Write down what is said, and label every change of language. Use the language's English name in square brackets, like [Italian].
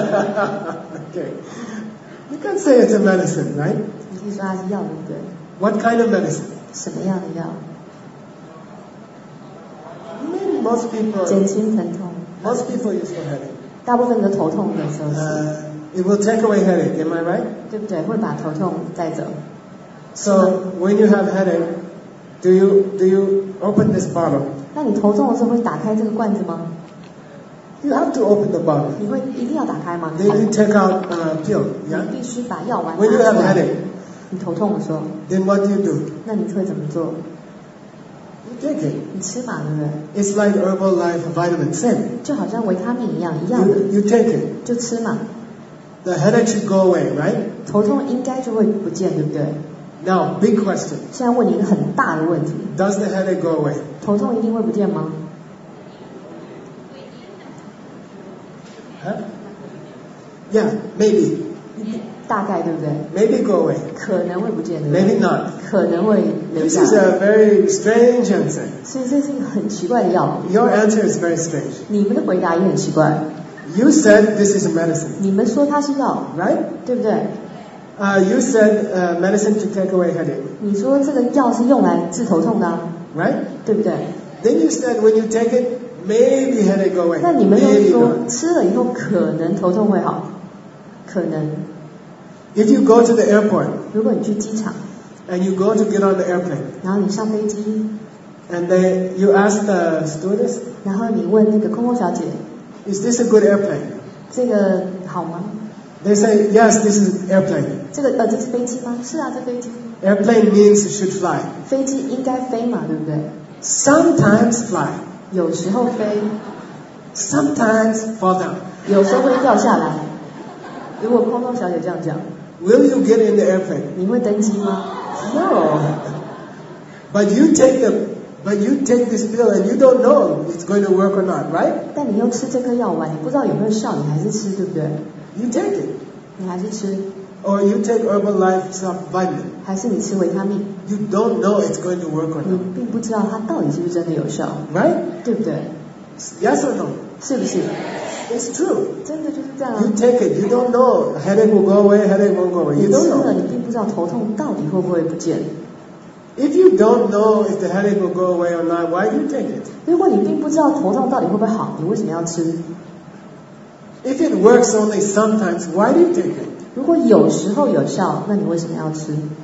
[English] Okay. You can say it's a medicine, right? [Chinese] 你可以说它是药，对不对？ [English] What kind of medicine? [Chinese] 什么样的药？ [English] Maybe most people [Chinese] 减轻疼痛 [English] Most people use for headache. [Chinese] 大部分的头痛的时候是。 [English] It will take away headache, am I right? [Chinese] 对不对？会把头痛带走。 [English] So when you have headache, do you open this bottle? [Chinese] 那你头痛的时候会打开这个罐子吗？ [English] You have to open the bottle. [Chinese] 你会一定要打开吗？ [English] Then you take out pill. [Chinese] 你必须把药丸拿出 [English] 来。When you have headache, [Chinese] 你头痛的时候。 [English] Then what do you do? [Chinese] 那你会怎么做？ [English] You take it. [Chinese] 你吃嘛，对不对？ [English] It's like herbal life vitamin same. [Chinese] 就好像维他命一样的。 [English] You take it. [Chinese] 就吃嘛。 [English] The headache should go away, right? [Chinese] 头痛应该就会不见，对不对？ [English] Now, big question. [Chinese] 现在问你一个很大的问题。 [English] Does the headache go away? [Chinese] 头痛一定会不见吗？ [English] Huh? Yeah, maybe. [Chinese] 大概对不对？ [English] Maybe go away. [Chinese] 可能会不见，对不 [English] 对？Maybe not. [Chinese] 可能会。 [English] This is a very strange answer. [Chinese] 所以这是一个很奇怪的药。 [English] Your answer is very strange. [Chinese] 你们的回答也很奇怪。 [English] You said this is medicine. [Chinese] 你们说它是药 [English] ，right? [Chinese] 对不对？ [English] You said medicine to take away headache. [Chinese] 你说这个药是用来治头痛的、啊、 [English] ，right? [Chinese] 对不对 [English] ？Then you said when you take it, maybe headache go away. [Chinese] 那你们又说吃了以后可能头痛会好，可能。 [English] If you go to the airport. [Chinese] 如果你去机场。 [English] And you go to get on the airplane. [Chinese] 然后你上飞机。 [English] And then you ask the stewardess. [Chinese] 然后你问那个空空小姐。 [English] Is this a good airplane? [Chinese] 这个好吗？ [English] They say yes, this is airplane. [Chinese] 这个这是飞机吗？是啊，这飞机。 [English] Airplane means it should fly. [Chinese] 飞机应该飞嘛，对不对？ [English] Sometimes fly. [Chinese] 有时候飞。 [English] Sometimes fall down. [Chinese] 有时候会掉下来。如果空空小姐这样讲。 [English] Will you get in the airplane? [Chinese] 你会登机吗？ [English] No. But you take the But you take this pill and you don't know it's going to work or not, right? [Chinese] 但你又吃这颗药丸，你不知道有没有效，你还是吃，对不对？ [English] You take it. [Chinese] 你还是吃。 [English] Or you take Herbal Life some vitamin. [Chinese] 还是你吃维他命。 [English] You don't know it's going to work or not. [Chinese] 你并不知道它到底是不是真的有效， [English] right? [Chinese] 对不对？ [English] Yes or no? [Chinese] 是不是？ [English] It's true. [Chinese] 真的就是这样。 [English] You take it. You don't know headache will go away. Headache won't go away. You don't know. [Chinese] 你吃了，你并不知道头痛到底会不会不见。 [English] If you don't know if the headache will go away or not, why do you take it? [Chinese] 如果你并不知道头痛到底会不会好，你为什么要吃？ [English] If it works only sometimes, why do you take it? [Chinese] 如果有时候有效，那你为什么要吃？